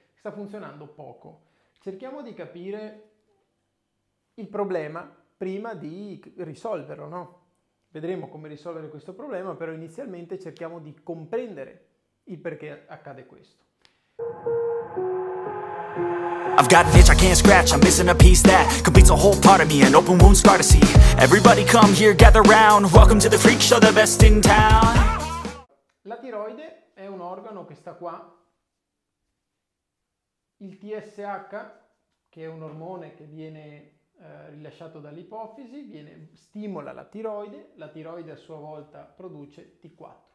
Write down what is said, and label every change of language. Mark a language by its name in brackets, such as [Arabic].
[Italian] Sta funzionando poco. Cerchiamo di capire il problema prima di risolverlo, no? Vedremo come risolvere questo problema, però inizialmente cerchiamo di comprendere il perché accade questo. [English] I've got an itch I can't scratch, I'm missing a piece that completes a whole part of me, an open wound scar to see. Everybody come here, gather round, welcome to the freak show, the best in town. [Italian] La tiroide è un organo che sta qua. Il TSH, che è un ormone che viene rilasciato dall'ipofisi, stimola la tiroide a sua volta produce T4.